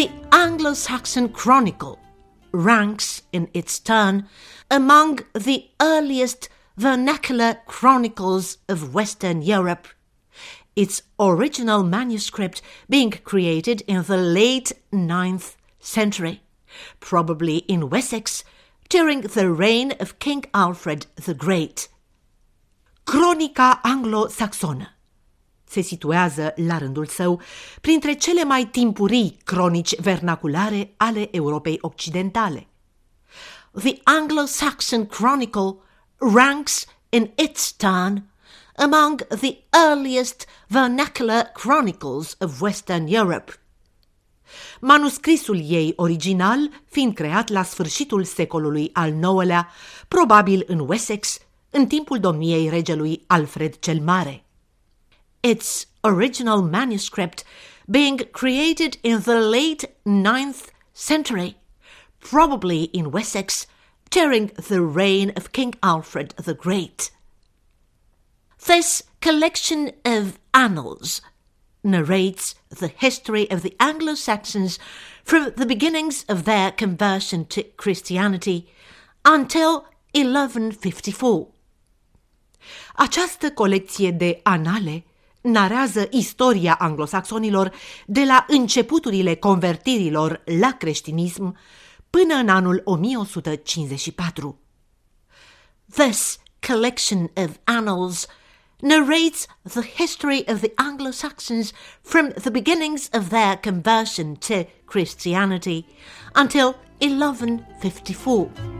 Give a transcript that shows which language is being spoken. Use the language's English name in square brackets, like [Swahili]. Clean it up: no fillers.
[English] Anglo-Saxon Chronicle ranks in its turn among the earliest vernacular chronicles of Western Europe, its original manuscript being created in the late 9th century, probably in Wessex, during the reign of King Alfred the Great. [Romanian] Cronica Anglo-Saxonă se situează, la rândul său, printre cele mai timpurii cronici vernaculare ale Europei Occidentale. [English] The Anglo-Saxon Chronicle ranks in its turn among the earliest vernacular chronicles of Western Europe. [Romanian] Manuscrisul ei original, fiind creat la sfârșitul secolului al IX-lea, probabil în Wessex, în timpul domniei regelui Alfred cel Mare. [English] Its original manuscript being created in the late 9th century, probably in Wessex, during the reign of King Alfred the Great. This collection of annals narrates the history of the Anglo-Saxons from the beginnings of their conversion to Christianity until 1154. [Romanian] Această colecție de anale narează istoria anglosaxonilor de la începuturile convertirilor la creștinism până în anul 1154. [English] This collection of annals narrates the history of the Anglo-Saxons from the beginnings of their conversion to Christianity until 1154.